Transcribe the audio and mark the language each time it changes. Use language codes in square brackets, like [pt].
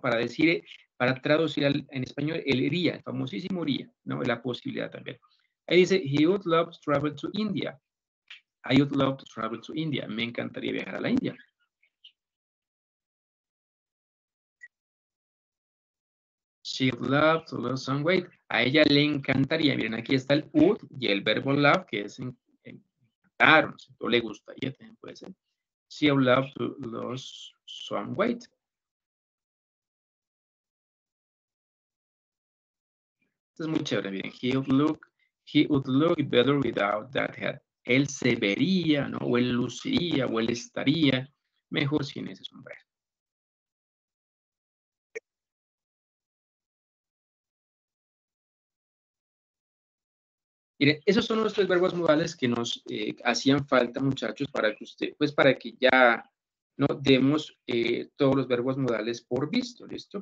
[es] Para decir, para traducir en español, el iría, el famosísimo iría, ¿no? La posibilidad también. Ahí dice, [en] he would love to travel to India. I would love to travel to India. [es] Me encantaría viajar a la India. [en] She would love to lose some weight. [es] A ella le encantaría. Miren, aquí está el would y el verbo love, que es encantar, no sé, o le gustaría también, puede ser. [en] She would love to lose some weight. [es] Esto es muy chévere. [en] Miren, He would look better without that hat. [es] Él se vería, ¿no? O él luciría, o él estaría mejor sin ese sombrero. Miren, esos son los tres verbos modales que nos hacían falta, muchachos, para que usted, pues para que ya no demos todos los verbos modales por visto, ¿listo?